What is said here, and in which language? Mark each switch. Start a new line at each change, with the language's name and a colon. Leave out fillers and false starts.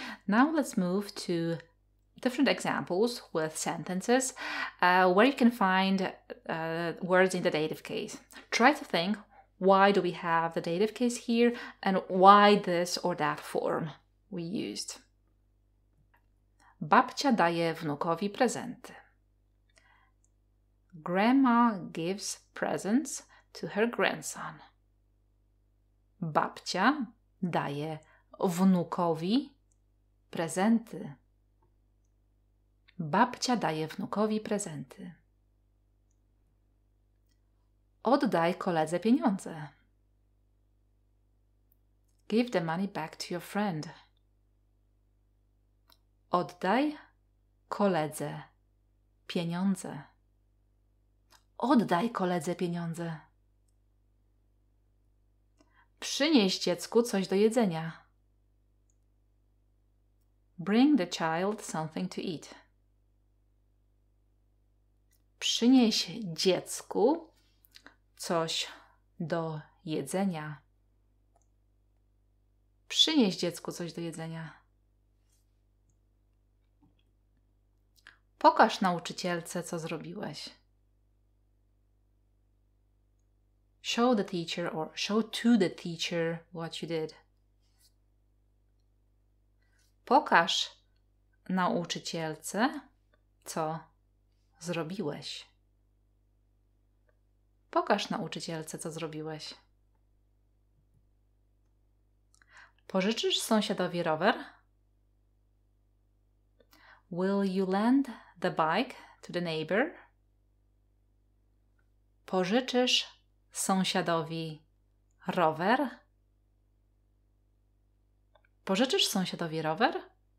English: Now let's move to different examples with sentences where you can find words in the dative case. Try to think, why do we have the dative case here and why this or that form we used.
Polish: Babcia daje wnukowi prezenty.
English: Grandma gives presents to her grandson.
Polish: Babcia daje wnukowi prezenty. Babcia daje wnukowi prezenty. Oddaj koledze pieniądze.
English: Give the money back to your friend.
Polish: Oddaj koledze pieniądze. Oddaj koledze pieniądze. Przynieś dziecku coś do jedzenia.
English: Bring the child something to eat.
Polish: Przynieś dziecku coś do jedzenia. Przynieś dziecku coś do jedzenia. Pokaż nauczycielce, co zrobiłeś.
English: Show the teacher or show to the teacher what you did.
Polish: Pokaż nauczycielce, co zrobiłeś? Pokaż nauczycielce, co zrobiłeś. Pożyczysz sąsiadowi rower?
English: Will you lend the bike to the neighbor?
Polish: Pożyczysz sąsiadowi rower? Pożyczysz sąsiadowi rower?